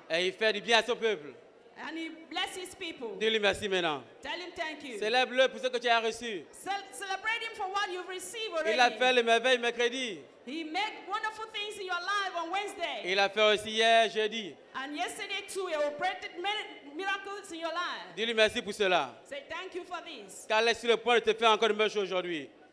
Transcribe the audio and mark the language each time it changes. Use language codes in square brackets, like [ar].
[fr] Et il fait du bien à son peuple. [en] And he bless his people. [fr] Dis-lui merci maintenant. [en] Tell him thank you. [fr] Célèbre-le pour ce que tu as reçu. [en] Celebrate him for what you've received already. [fr] Il a fait les merveilles mercredi. [en] He made wonderful things in your life on Wednesday. [fr] Il a fait aussi hier, jeudi. [en] And yesterday too, he operated many miracles in your life. [fr] Dis-lui merci pour cela. [en] Say thank you for this. [fr] Car il est sur le point de te faire encore de meilleures choses aujourd'hui.